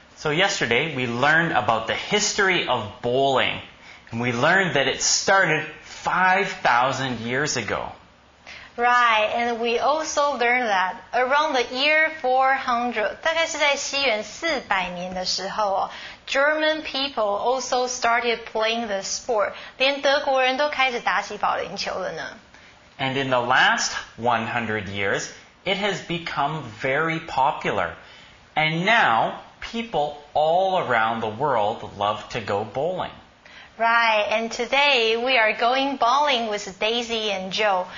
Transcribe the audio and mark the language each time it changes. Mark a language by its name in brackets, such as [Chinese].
[English] So yesterday we learned about the history of bowling, and we learned that it started 5,000 years ago. Right, and we also learned that around the year 400, [Chinese] 大概是在西元400年的时候哦， [English] German people also started playing the sport. [Chinese] 连德国人都开始打起保龄球了呢。 [English] And in the last 100 years, it has become very popular. And now, people all around the world love to go bowling. Right, and today we are going bowling with Daisy and Joe.